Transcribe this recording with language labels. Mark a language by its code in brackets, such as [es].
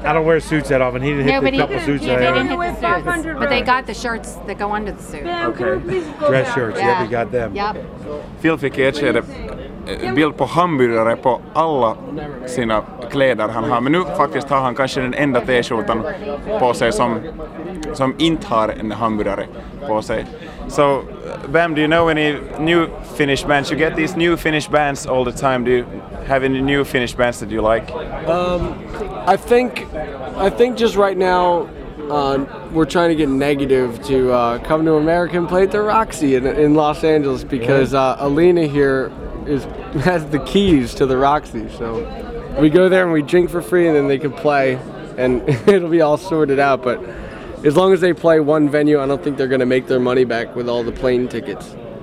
[en] I don't wear suits that often. He didn't hit the couple suits. He didn't hit the suits. But they got the shirts that go under the suit. Okay. Dress shirts. Yeah, we got them. Yep. [sv] Phil fick erkänna bild på hamburgare på alla sina kläder han har. Men nu faktiskt har han kanske den enda t-skjortan på sig som inte har en hamburgare på sig. [en] So, Bam, do you know any new Finnish bands? You get these new Finnish bands all the time. Do you have any new Finnish bands that you like? I think just right now we're trying to get Negative to come to America and play at the Roxy in Los Angeles because Alina here has the keys to the Roxy, so we go there and we drink for free and then they can play and it'll be all sorted out, but as long as they play one venue, I don't think they're going to make their money back with all the plane tickets.